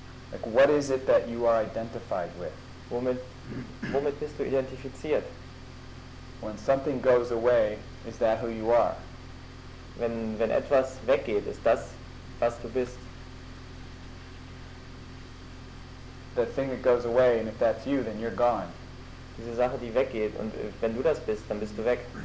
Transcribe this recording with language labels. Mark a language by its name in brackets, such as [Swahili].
[English] Like, what is it that you are identified with? [German] Womit bist du identifiziert? [English] When something goes away, is that who you are? [German] Wenn etwas weggeht, ist das, was du bist? [English] The thing that goes away, and if that's you, then you're gone. [German] Diese Sache, die weggeht, und wenn du das bist, dann bist du weg.